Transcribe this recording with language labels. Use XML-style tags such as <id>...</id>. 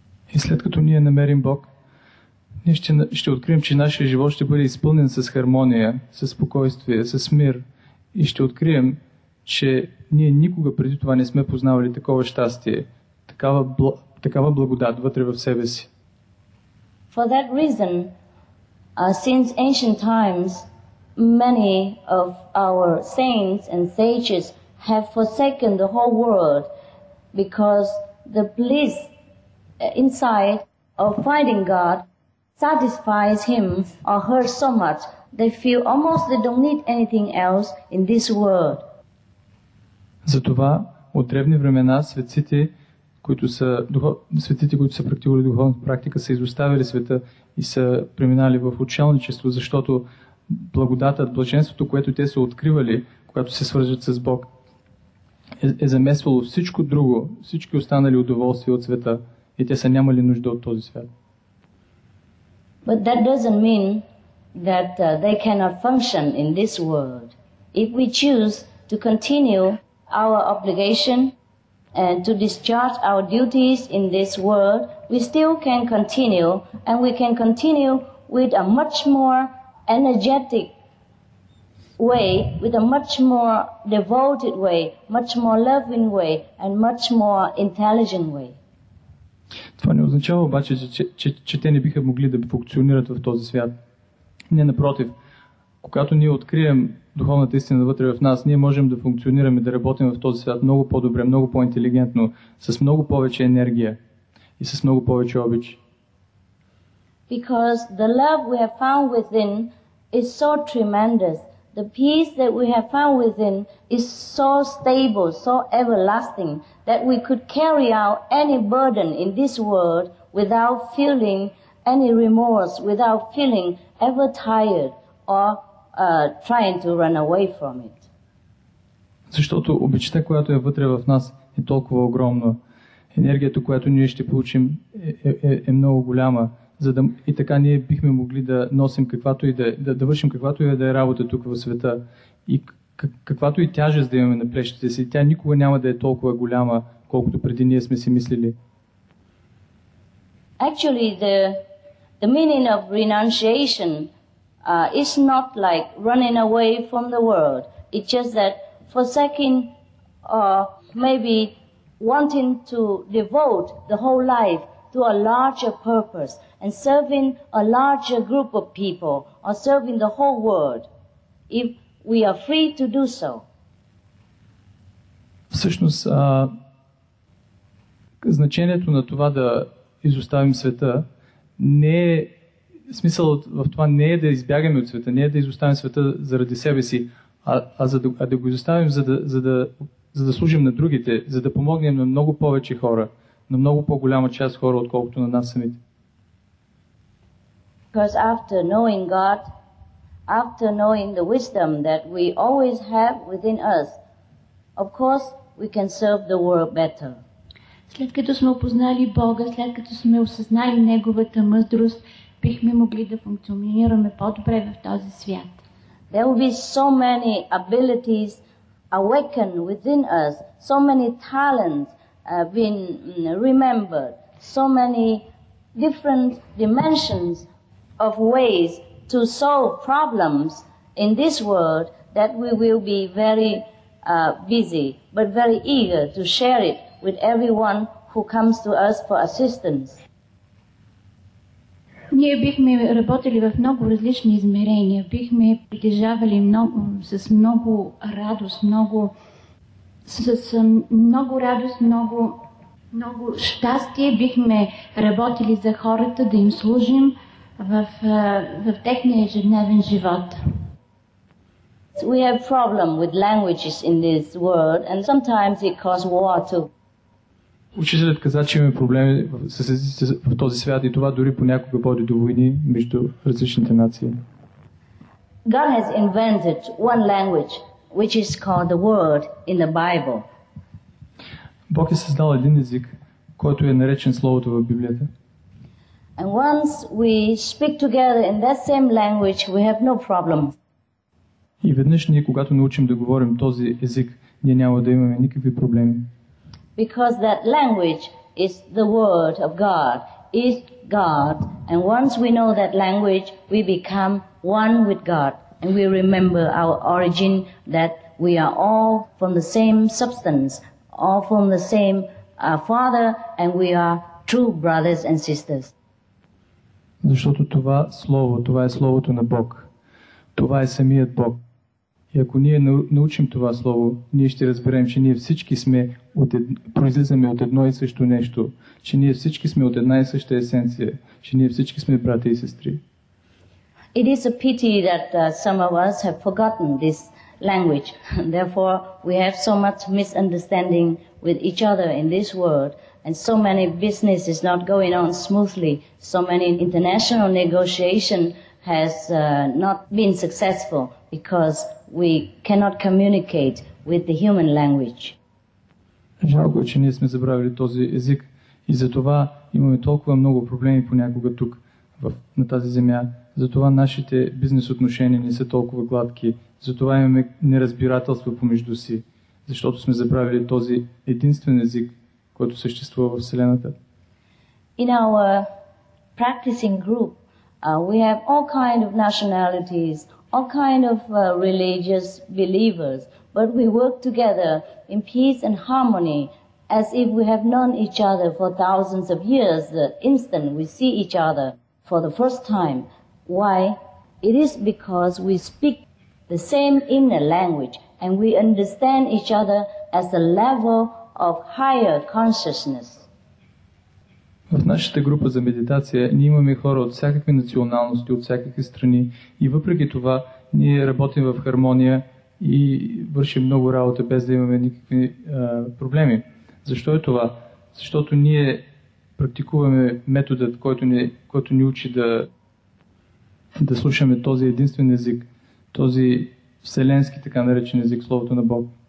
<bg>И след като ние намерим Бог, ние ще открием, че нашия живот ще бъде изпълнен с хармония, с спокойствие, с мир. И ще открием, че ние никога преди това не сме познавали такова щастие, такава благодат вътре в себе си.</bg> <en>For that reason, since ancient times, many of our saints and sages have forsaken the whole world because the bliss inside of finding God satisfies him or her so much they feel almost they don't need anything else in this world.</en> <bg>Затова от древни времена светците, които са практикували духовната практика, са изоставили света и са преминали в отшелничество, защото благодатът, блаженството, което те са откривали, когато се свържат с Бог, е замесвало всичко друго, всички останали удоволствия от света и те са нямали нужда от този свят.</bg> <en>But that doesn't mean that they cannot function in this world. If we choose to continue our obligation and to discharge our duties in this world, we still can continue and we can continue with a much more energetic way, with a much more devoted way, much more loving way and much more intelligent way.</en> <bg>Това не означава обаче, че те не биха могли да функционират в този свят. Не, напротив, когато ние открием духовната истина вътре в нас, ние можем да функционираме, да работим в този свят много по-добре, много по-интелигентно, с много повече енергия и с много повече обич.</bg> <en>Because the love we have found within is so tremendous. The peace that we have found within is so stable, so everlasting, that we could carry out any burden in this world without feeling any remorse, without feeling ever tired or trying to run away from it.</en> <bg>Защото обичта, която е вътре в нас, е толкова огромна. Енергията, която ние ще получим, е много голяма. И така ние бихме могли да носим каквато и да вършим каквато и да е работа тук в света и каквато и тежест да имаме на плещите си, тя никога няма да е толкова голяма, колкото преди ние сме си мислили.</bg> <en>Actually, the meaning of renunciation is not like running away from the world. It's just that forsaking or maybe wanting to devote the whole life to a larger purpose and serving a larger group of people or serving the whole world if we are free to do so.</en> <bg>Всъщност, значението на това да изоставим света не е, смисълът в това не е да избягаме от света, не е да изоставим света заради себе си, а да го изоставим за да служим на другите, за да помогнем на много повече хора, на много по-голяма част хора, отколкото на нас самите.</bg> <en>Because after knowing God, after knowing the wisdom that we always have within us, of course, we can serve the world better.</en> <bg>След като сме опознали Бога, след като сме осъзнали Неговата мъдрост, бихме могли да функционираме по-добре в този свят.</bg> <en>There will be so many abilities awakened within us, so many talents been remembered, so many different dimensions of ways to solve problems in this world that we will be very busy, but very eager to share it with everyone who comes to us for assistance.</en> <bg>Ние бихме работили в много различни измерения, бихме притежавали много, с много радост, много, с много радост, много, много щастие, бихме работили за хората да им служим в техния ежедневен живот.</bg> <en>We have problem with languages in this world and sometimes it causes war too.</en> <bg>Учителят каза, че имаме проблеми с езиците в този свят и това дори понякога води до войни между различните нации.</bg> <en>God has invented one language, which is called the word in the Bible.</en> <bg>Бог е създал един език, който е наречен Словото в Библията.</bg> <en>And once we speak together in that same language, we have no problem.</en> <bg>И веднъж ние, когато научим да говорим този език, ние няма да имаме никакви проблеми.</bg> <en>Because that language is the word of God, is God, and once we know that language, we become one with God, and we remember our origin, that we are all from the same substance, all from the same Father, and we are true brothers and sisters.</en> <bg>Защото това слово, това е словото на Бог. Това е самият Бог. И ако ние научим това слово, ние ще разберем, че ние всички сме произлизаме от едно и също нещо, че ние всички сме от една и съща есенция, че ние всички сме братя и сестри.</bg> <en>It is a pity that some of us have forgotten this language. Therefore, we have so much misunderstanding with each other in this world, and so many business is not going on smoothly, so many international negotiation has not been successful because we cannot communicate with the human language.</en> <bg>Жалко, че ние сме забравили този език и затова имаме толкова много проблеми понякога тук на тази земя. Затова нашите бизнес отношения не са толкова гладки. Затова имаме неразбирателство помежду си, защото сме забравили този единствен език, който съществува в Вселената.</bg> <en>In our practicing group, we have all kind of nationalities, all kind of religious believers, but we work together in peace and harmony, as if we have known each other for thousands of years, the instant we see each other for the first time. Why? It is because we speak the same inner language and we understand each other as a level of higher consciousness.</en> <bg>В нашата група за медитация ние имаме хора от всякакви националности, от всякакви страни и въпреки това ние работим в хармония и вършим много работа без да имаме никакви проблеми. Защо е това? Защото ние практикуваме методът, който ни учи да слушаме този единствен език, този вселенски така наречен език, Словото на Бог.</bg>